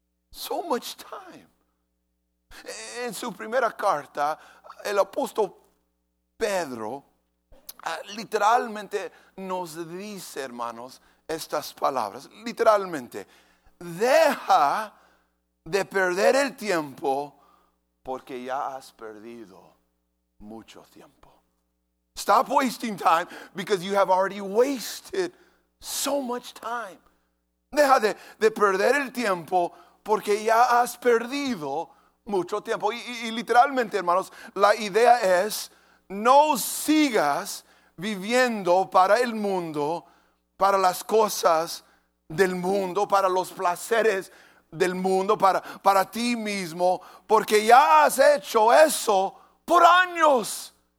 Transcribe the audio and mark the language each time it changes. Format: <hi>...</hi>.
<en>So much time.</en> <es>En su primera carta, el apóstol Pedro literalmente nos dice, hermanos, estas palabras. Literalmente, deja de perder el tiempo porque ya has perdido mucho tiempo.</es> <en>Stop wasting time because you have already wasted so much time.</en> <es>Deja de perder el tiempo porque ya has perdido mucho tiempo. Y literalmente, hermanos, la idea es, no sigas viviendo para el mundo, para las cosas del mundo, para los placeres del mundo, para ti mismo, porque ya has hecho eso por años.</es>